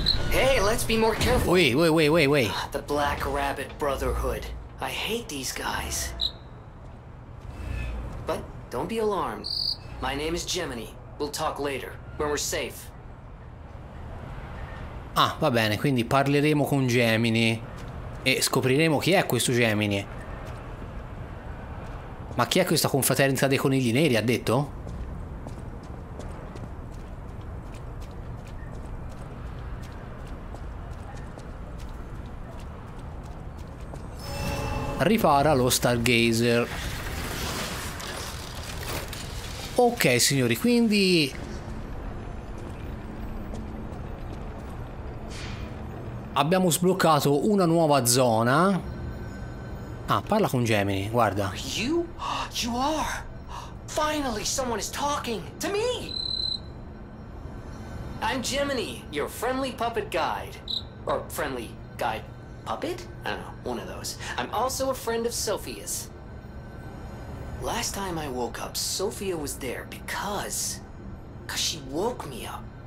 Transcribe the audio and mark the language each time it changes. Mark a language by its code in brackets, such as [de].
[en] Hey, let's be more careful. Wait. The Black Rabbit Brotherhood. I hate these guys. But don't be alarmed. My name is Gemini. We'll talk later, when we're safe. [it] Ah, va bene, quindi parleremo con Gemini. E scopriremo chi è questo Gemini. Ma chi è questa confraternita dei conigli neri, ha detto? Ripara lo Stargazer. Ok, signori, quindi... abbiamo sbloccato una nuova zona. Ah, parla con Gemini, guarda. [en] You are. Finally someone is talking to me. I'm Gemini, your friendly puppet guide. Or friendly guide puppet? I don't know, one of those. I'm also a friend of Sophia's. Last time I woke up, Sophia was there because she woke me up.